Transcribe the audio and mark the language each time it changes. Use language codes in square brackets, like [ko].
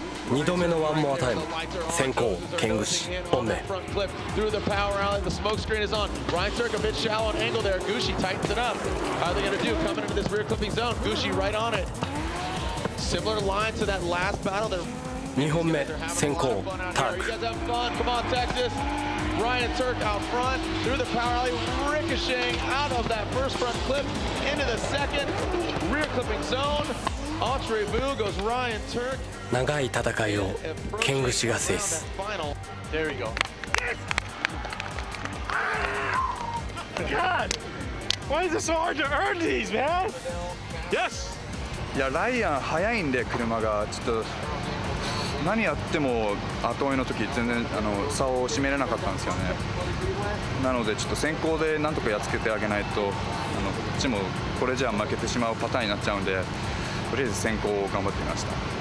[ja] 2度目のワンモアタイム先行ケングシ本命2本目先行ターク [en] Ryan Turk out front, through the power alley, ricocheting out of that first front clip, into the second, rear clipping zone. Entre vous goes Ryan Turk. [ja] 長い戦いをケングシが制す。 [en] There you go. Yes! God! Why is it so hard to earn these, man? Yes! [ja] いや、ライアン早いんで、車がちょっと…何やっても後追いの時全然あの差を締めれなかったんですよね。なのでちょっと先行でなんとかやっつけてあげないと、あのこっちもこれじゃ負けてしまうパターンになっちゃうんで、とりあえず先行を頑張ってみました。